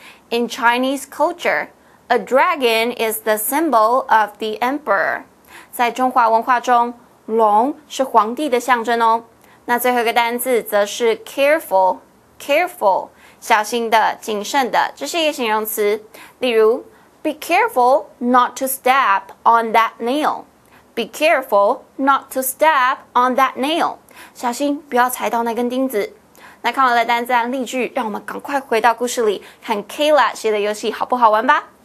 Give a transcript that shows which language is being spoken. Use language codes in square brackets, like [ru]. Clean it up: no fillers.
[en] In Chinese culture, a dragon is the symbol of the emperor. [zh] 在中华文化中，龙是皇帝的象征哦。那最后一个单字则是 careful， 小心的，谨慎的，这是一个形容词。 [en] 例如 ，Be careful not to step on that nail. Be careful not to step on that nail. [zh] 小心不要踩到那根钉子。那看完了单字和例句，让我们赶快回到故事里，看 Kayla 写的游戏好不好玩吧。